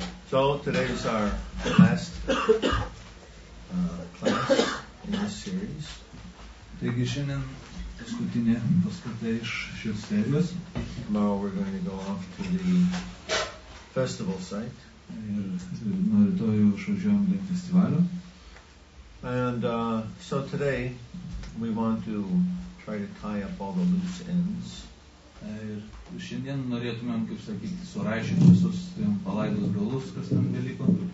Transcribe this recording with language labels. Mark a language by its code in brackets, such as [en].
[en] So today is our last class in this series. [lt] Taigi šiandien paskutinė paskata iš šios serijos. [en] Tomorrow we're going to go off to the festival site. [lt] Ir nuo rytojų išvažiuojam link festivalio. [en] And so today we want to try to tie up all the loose ends. [lt] Ir šiandien norėtumėm, kaip sakyti, suraižyti visus palaidus galus, kas tam dalyko.